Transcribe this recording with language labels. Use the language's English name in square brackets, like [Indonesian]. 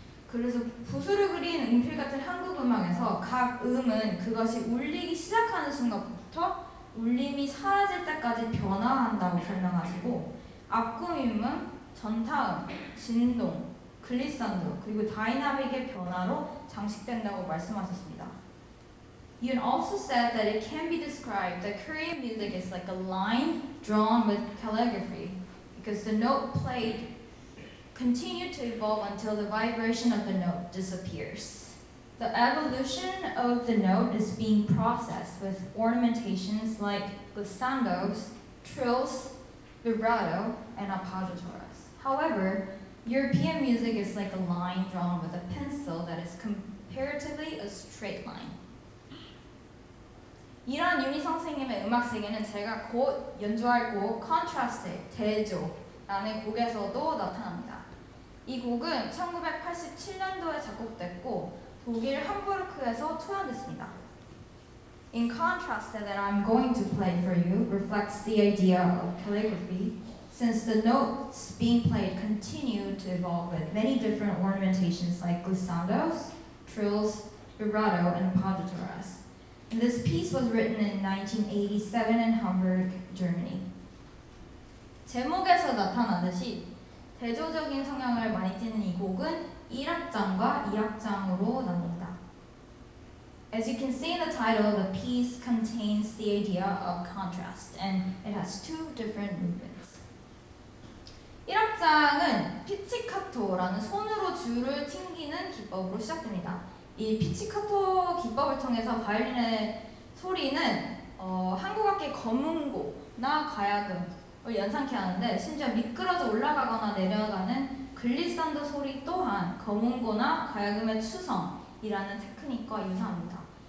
[Korean] 그래서 붓으로 그린 음필 같은 한국 음악에서 각 음은 그것이 울리기 시작하는 순간부터 울림이 사라질 때까지 변화한다고 설명하시고 앞구미음은 전타음, 진동, 글리산도 그리고 다이나믹의 변화로 장식된다고 말씀하셨습니다. [English] Yun also said that it can be described that Korean music is like a line drawn with calligraphy. Because the note played continued to evolve until the vibration of the note disappears. The evolution of the note is being processed with ornamentations like glissandos, trills, vibrato, and appoggiaturas. However, European music is like a line drawn with a pencil that is comparatively a straight line. [Korean] 이런 윤희 선생님의 음악 세계는 제가 곧 연주할 곡 Contrasted, 대조라는 곡에서도 나타납니다. 이 곡은 1987년도에 작곡됐고 독일 함부르크에서 초연됐습니다. [English] In Contrasted that I'm going to play for you reflects the idea of calligraphy since the notes being played continue to evolve with many different ornamentations like glissandos, trills, vibrato, and appoggiaturas. This piece was written in 1987 in Hamburg, Germany. [Korean] 제목에서 나타나듯이 대조적인 성향을 많이 띠는 이 곡은 1악장과 2악장으로 나뉩니다. [English] As you can see in the title, the piece contains the idea of contrast and it has two different movements. [Korean] 1악장은 피치카토라는 손으로 줄을 튕기는 기법으로 시작됩니다. 이 피치카토 기법을 통해서 바이올린의 소리는 한국 악기 검은고나 가야금을 연상케 하는데 심지어 미끄러져 올라가거나 내려가는 글리산도 소리 또한 검은고나 가야금의 추성이라는 테크닉과 유사합니다.